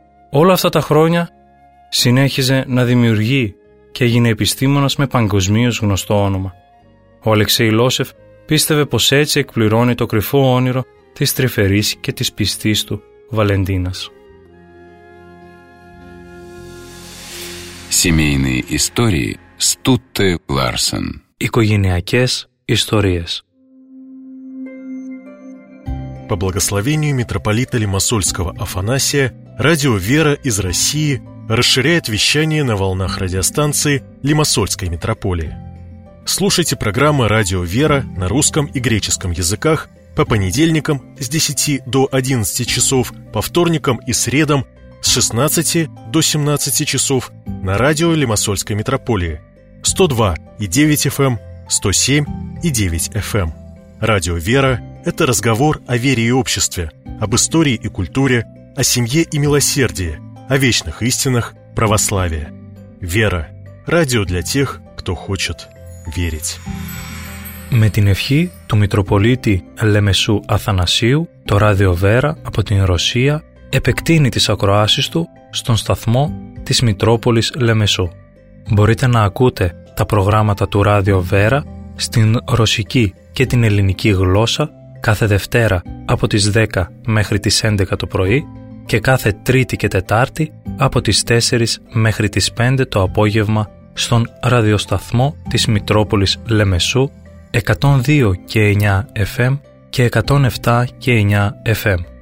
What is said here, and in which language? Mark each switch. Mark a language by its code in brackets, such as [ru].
[el] Όλα αυτά τα χρόνια συνέχιζε να δημιουργεί και έγινε επιστήμονας με παγκοσμίως γνωστό όνομα. Ο Αλεξέη Λόσεφ πίστευε πως έτσι εκπληρώνει το κρυφό όνειρο της τρυφερής και της πιστής του Βαλεντίνας. [ru] Семейные истории Стутте Ларсен. [el] Οικογενειακές ιστορίες. [ru] По благословению митрополита Лимассольского Афанасия, радио «Вера» из России расширяет вещание на волнах радиостанции Лимассольской митрополии. Слушайте программы «Радио «Вера» на русском и греческом языках по понедельникам с 10 до 11 часов, по вторникам и средам с 16 до 17 часов на радио Лимассольской митрополии 102.9 FM, 107.9 FM. Радио «Вера» – это разговор о вере и обществе, об истории и культуре, о семье и милосердии, о вечных истинах православия. «Вера» – радио для тех, кто хочет верить. [el] Με την ευχή του Μητροπολίτη Λεμεσού Αθανασίου, το Ράδιο Βέρα από την Ρωσία επεκτείνει τις ακροάσεις του στον σταθμό της Μητρόπολης Λεμεσού. Μπορείτε να ακούτε τα προγράμματα του Ράδιο Βέρα στην ρωσική και την ελληνική γλώσσα κάθε Δευτέρα από τις 10 μέχρι τις 11 το πρωί και κάθε Τρίτη και Τετάρτη από τις 4 μέχρι τις 5 το απόγευμα στον ραδιοσταθμό της Μητρόπολης Λεμεσού 102 και 9 FM και 107 και 9 FM.